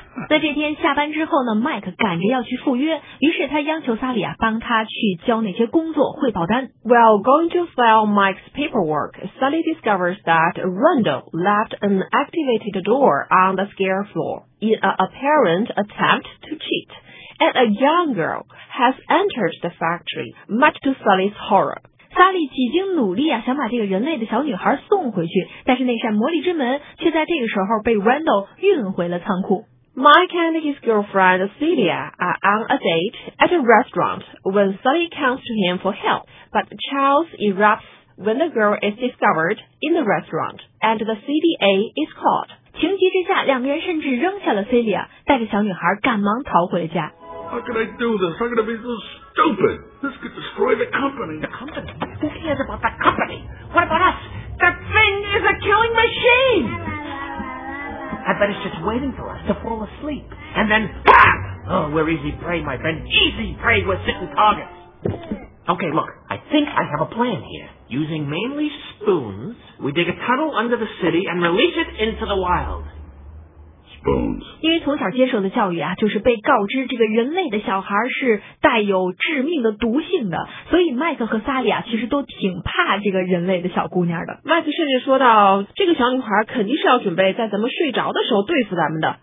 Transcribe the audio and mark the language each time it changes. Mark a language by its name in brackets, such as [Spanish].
[Chinese] 在这天下班之后呢，麦克赶着要去赴约，于是他央求萨里啊帮他去交那些工作汇报单。 [English] Well, going to file Mike's paperwork, Sally discovers that Randall left an activated door on the scare floor in an apparent attempt to cheat, and a young girl has entered the factory, much to Sally's horror. [Chinese] 萨利几经努力啊，想把这个人类的小女孩送回去，但是那扇魔力之门却在这个时候被 Randall 运回了仓库。 [English] Mike and his girlfriend Celia are on a date at a restaurant when Sally comes to him for help, but Charles erupts when the girl is discovered in the restaurant and the CDA is caught. [Chinese] 情急之下，两个人甚至扔下了 Celia， 带着小女孩赶忙逃回了家。 [English] How can I do this? I'm going to be so stupid. This could destroy the company. The company? Who cares about the company? What about us? That thing is a killing machine! I bet it's just waiting for us to fall asleep. And then, bam! Oh, we're easy prey, my friend. Easy prey, we're sitting targets. Okay, look. I think I have a plan here. Using mainly spoons, we dig a tunnel under the city and release it into the wild. [Chinese] 因为从小接受的教育啊，就是被告知这个人类的小孩是带有致命的毒性的，所以麦克和萨利亚其实都挺怕这个人类的小姑娘的。麦克甚至说到，这个小女孩肯定是要准备在咱们睡着的时候对付咱们的。